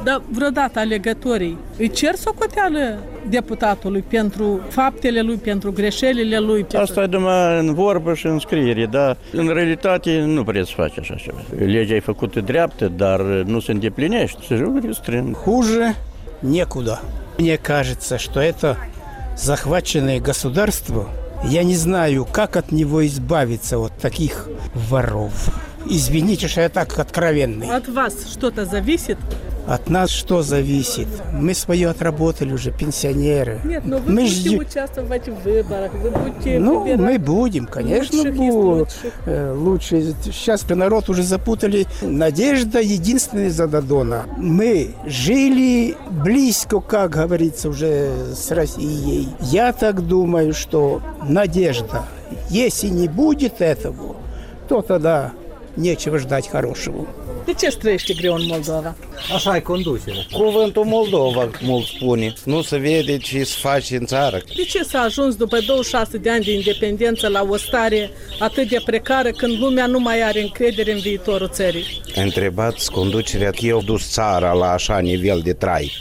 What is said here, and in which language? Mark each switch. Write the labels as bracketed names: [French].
[Romanian] Dar vreodată alegătorii îi cer socoteală deputatului pentru faptele lui, pentru greșelile lui? Asta e numai în vorbă și în scriere, dar în realitate nu vreți să faci așa ceva. Legea e făcută dreaptă, dar nu se îndeplinește. Se jucă strâng. [Russian] Хуже некуда. Мне кажется, что это захваченное государство, я не знаю, как от него избавиться, от таких воров. Извините, что я так откровенный. От вас что-то зависит? От нас что зависит? Мы свое отработали уже, пенсионеры. Нет, но вы будете участвовать в выборах. Вы будете выбирать. Мы будем, конечно, лучше. Сейчас народ уже запутали. Надежда единственная за Додона. Мы жили близко, как говорится, уже с Россией. Я так думаю, что надежда. Если не будет этого, то тогда нечего ждать хорошего. [Romanian] De ce străiește greu în Moldova? Așa e conducerea. Cuvântul Moldova, mult spune. Nu se vede ce se face în țară. De ce s-a ajuns după 26 de ani de independență la o stare atât de precară când lumea nu mai are încredere în viitorul țării? Întrebați conducerea că eu dus țara la așa nivel de trai.